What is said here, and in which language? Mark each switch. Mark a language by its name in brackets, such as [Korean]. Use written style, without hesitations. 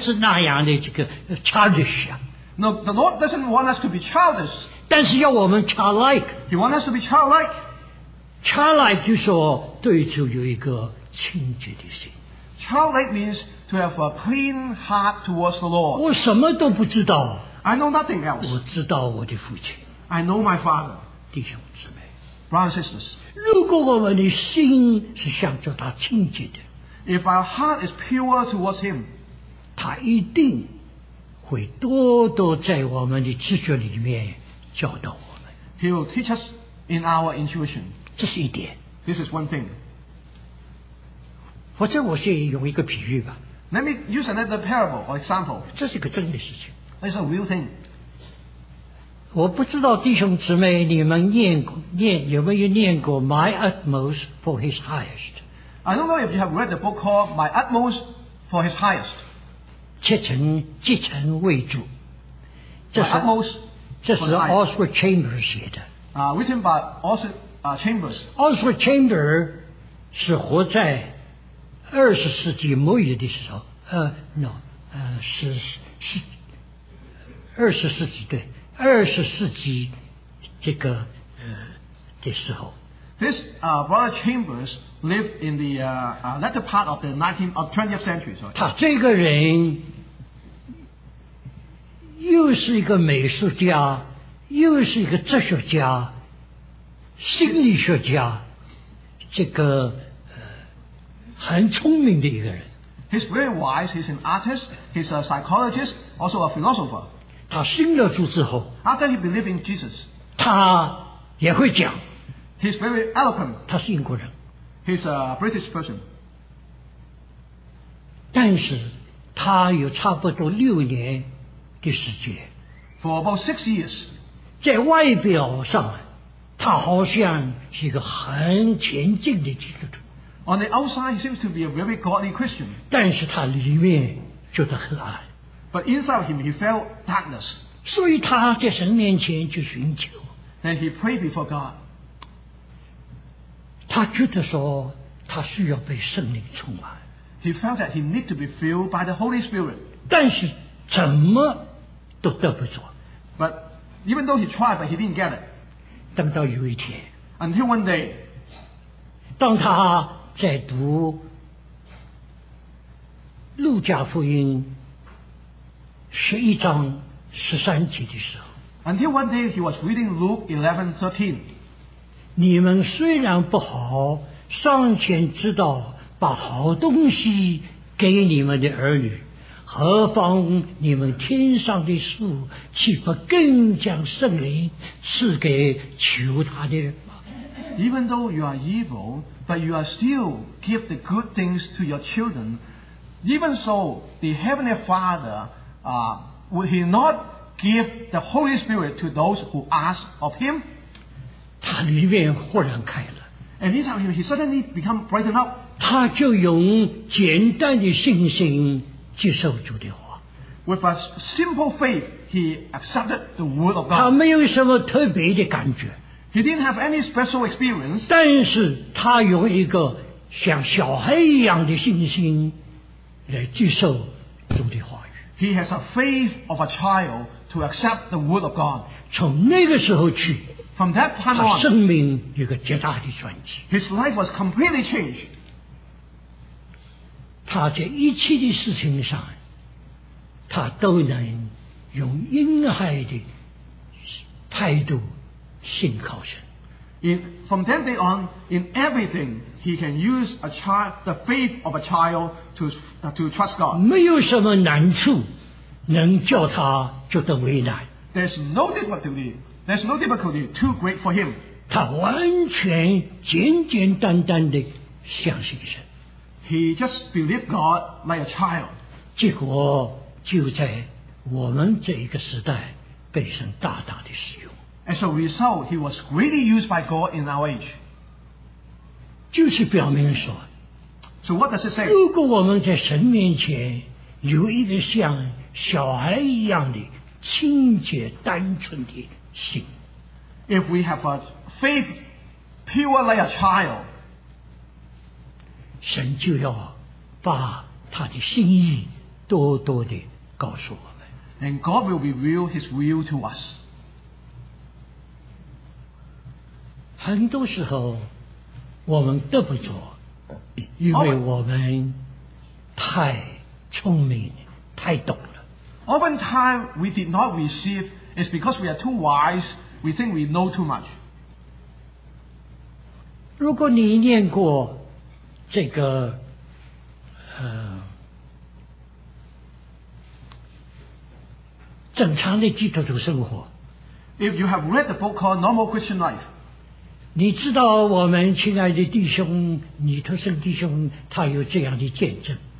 [Chinese] 主并没有意思叫我们像小孩子那样的这个childish, [English] no, the Lord doesn't want us to be childish. [Chinese] 但是要我们childlike. [English] He wants us to be childlike. [Chinese] Childlike就是说对主有一个清洁的心. [English] Childlike means to have a clean heart towards the Lord. [Chinese] 我什么都不知道, [English] I know nothing else. [Chinese] 我知道我的父亲, [English] I know my father. [Chinese] 弟兄姊妹, [English] brothers and sisters, [Chinese] 如果我们的心是向着他清洁的, [English] if our heart is pure towards him, [Chinese] 他一定会多多在我们的知觉里面教导我们, [English] he will teach us in our intuition. [Chinese] 这是一点。 [English] This is one thing. [Chinese] 或者我先用一个比喻吧。 [English] Let me use another parable or example. [Chinese] 这是一个真的事情。 [English] It's a real thing. [Chinese] 我不知道弟兄姊妹你们有没有念过 My Utmost for His Highest. [English] I don't know if you have read the book called My Utmost for His Highest. [Chinese] 竭诚为主。这是 Oswald Chambers 写的。 [English] Written by Oswald Chambers. [Chinese] Oswald Chambers 是活在20世纪末日的时候，二十世纪的时候。 [English] This brother Chambers lived in the latter part of the 20th century. So [Chinese] 他这个人又是一个美术家，又是一个哲学家、心理学家，这个。很聪明的一个人。 [English] He's very wise. He's an artist. He's a psychologist, also a philosopher. [Chinese] 他信了主之后 [English] ，After he believed in Jesus, [Chinese] 他也会讲。 [English] He's very eloquent. [Chinese] 他是英国人。 [English] He's a British person. [Chinese] 但是他有差不多6年的时间。 [English] For about 6 years. [Chinese] 在外表上，他好像是一个很前进的基督徒。 [English] On the outside, he seems to be a very godly Christian. [Chinese] 但是他里面觉得很暗。 [English] But inside him, he felt darkness. [Chinese] 所以他在神面前去寻求。 [English] And he prayed before God. [Chinese] 他觉得说他需要被圣灵充满。 [English] He felt that he needed to be filled by the Holy Spirit. [Chinese] 但是怎么都得不着。 [English] But even though he tried, but he didn't get it. [Chinese] 等到有一天。 [English] Until one day. [Chinese] 当他在读路加福音11章13节的时候 [English] ，Until one day he was reading Luke 11:13. [Chinese] 你们虽然不好，尚且知道把好东西给你们的儿女，何况你们天上的父岂不更将圣灵赐给求他的人吗 [English] ？Even though you are evil. But you are still give the good things to your children. Even so, the Heavenly Father, would He not give the Holy Spirit to those who ask of Him? [Chinese] 他里面豁然开了。 [English] And inside him, he suddenly become brightened up. [Chinese] 他就用简单的信心接受主的话。 [English] With a simple faith, he accepted the word of God. [Chinese] 他没有什么特别的感觉。 [English] He didn't have any special experience. [Chinese] 但是他用一个像小孩一样的信心来接受主的话语。 [English] He has a faith of a child to accept the word of God. [Chinese] 从那个时候去 [English] ，From that time on, [Chinese] 他生命有个极大的转机。 [English] His life was completely changed. [Chinese] 他在一切的事情上，他都能用婴孩的态度。信靠神。 [English] From that day on, in everything, he can use a child, the faith of a child to trust God. [Chinese] 没有什么难处能叫他觉得为难。 [English] There's no difficulty too great for him. [Chinese] 他完全简简单单的相信神。 [English] He just believed God like a child. [Chinese] 结果就在我们这一个时代被神大大的使用。 [English] As a result, he was greatly used by God in our age. [Chinese] 就是表明说 [English] So what does it say? [Chinese] 如果我们在神面前有一个像小孩一样的清洁单纯的心 [English] If we have a faith pure like a child, [Chinese] 神就要把他的心意多多的告诉我们 [English] And God will reveal his will to us. [Chinese] 很多时候我们得不着因为我们太聪明太懂了 [English] Often time we did not receive is because we are too wise we think we know too much [Chinese] 如果你念过这个正常的基督徒生活 [English] If you have read the book called Normal Christian Life [Chinese] 你知道我们亲爱的弟兄尼托森弟兄他有这样的见证。